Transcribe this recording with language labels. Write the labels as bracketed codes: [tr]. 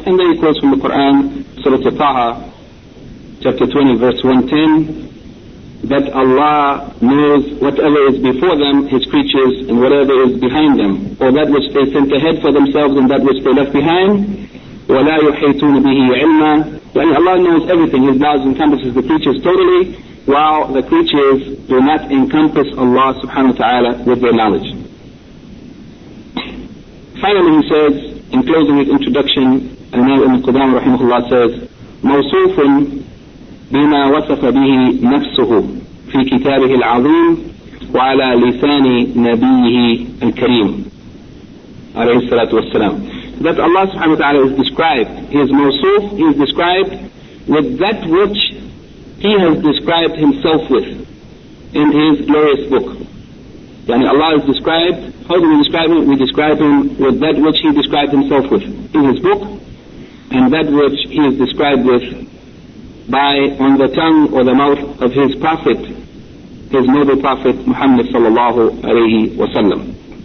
[en] And then he quotes from the Quran, Surah Taha, chapter 20, verse 110, that Allah knows whatever is before them, His creatures, and whatever is behind them, or that which they sent ahead for themselves and that which they left behind. [ar] وَلَا يُحَيْتُونَ بِهِ عِلْمًا. [en] And Allah knows everything. His knowledge encompasses the creatures totally, while the creatures do not encompass Allah subhanahu wa ta'ala with their knowledge. Finally, he says, in closing his introduction, Al-Nawawi ibn Qudamah rahimahullah says, [ar] مَوْصُوفٌ بِمَا وَصَفَ بِهِ نَفْسُهُ فِي كِتَابِهِ الْعَظِيمِ وَعَلَى لِسَانِ نَبِيِّهِ الْكَرِيمِ عَلَيْهِ السَّلَاةُ وَالسَّلَامُ. [en] That Allah subhanahu wa ta'ala is described, He is mawsuf, He is described with that which He has described Himself with in His glorious book. Yani Allah is described, how do we describe Him? We describe Him with that which He described Himself with in His book, and that which He is described with by on the tongue or the mouth of His Prophet, His noble Prophet Muhammad sallallahu alayhi wa sallam.